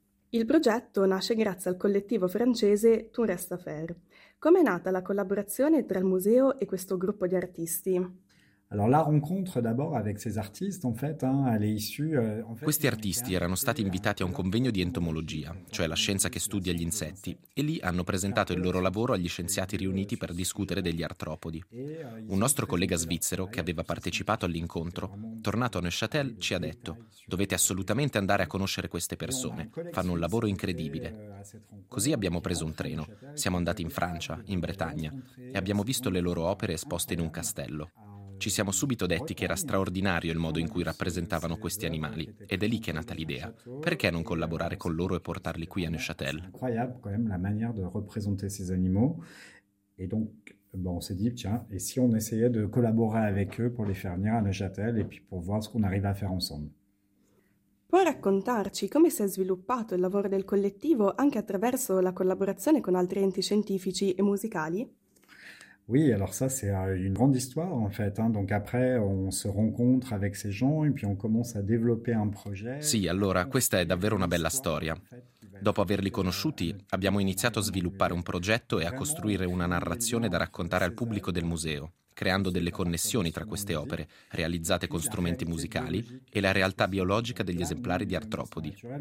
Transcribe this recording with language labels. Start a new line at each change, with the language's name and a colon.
Italian: Il progetto nasce grazie al collettivo francese Tout reste à faire. Com'è nata la collaborazione tra il museo e questo gruppo di artisti?
French: Alors la rencontre d'abord avec ces artistes en fait hein elle est issue en fait
Italian: questi artisti erano stati invitati a un convegno di entomologia, cioè la scienza che studia gli insetti, e lì hanno presentato il loro lavoro agli scienziati riuniti per discutere degli artropodi. Un nostro collega svizzero che aveva partecipato all'incontro, tornato a Neuchâtel, ci ha detto: "Dovete assolutamente andare a conoscere queste persone, fanno un lavoro incredibile". Così abbiamo preso un treno, siamo andati in Francia, in Bretagna, e abbiamo visto le loro opere esposte in un castello. Ci siamo subito detti che era straordinario il modo in cui rappresentavano questi animali, ed è lì che è nata l'idea. Perché non collaborare con loro e portarli qui a Neuchâtel?
French: Incroyable quand même la manière de représenter ces animaux. Et donc on s'est dit tiens, et si on essayait de collaborer avec eux pour les faire venir à Neuchâtel et puis pour voir ce qu'on arrive à faire ensemble.
Italian: Puoi raccontarci come si è sviluppato il lavoro del collettivo anche attraverso la collaborazione con altri enti scientifici e musicali?
French: Oui, alors ça c'est une grande histoire en fait, hein. Donc après on se rencontre avec ces gens et puis on commence à développer un projet.
Italian: Sì, allora questa è davvero una bella storia. Dopo averli conosciuti, abbiamo iniziato a sviluppare un progetto e a costruire una narrazione da raccontare al pubblico del museo, creando delle connessioni tra queste opere, realizzate con strumenti musicali, e la realtà biologica degli esemplari di artropodi.